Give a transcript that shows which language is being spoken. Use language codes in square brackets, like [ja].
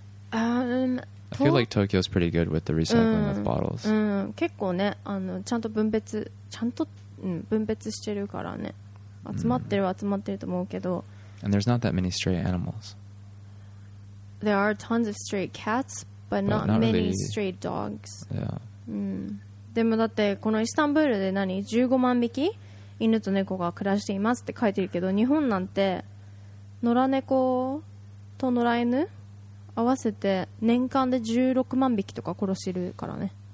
[en] I feel like Tokyo is pretty good with the recycling of bottles. [ja] 結構ね、あのちゃんと分別ちゃんと、分別してるからね。集まってるは集まってると思うけど。 [en] And there's not that many stray animals. There are tons of stray cats, but not many really... stray dogs. Yeah. [ja] でもだってこのイスタンブールで何15万匹犬と猫が暮らしていますって書いてるけど、日本なんて野良猫と野良犬合わせて年間で16万匹とか殺してるからね。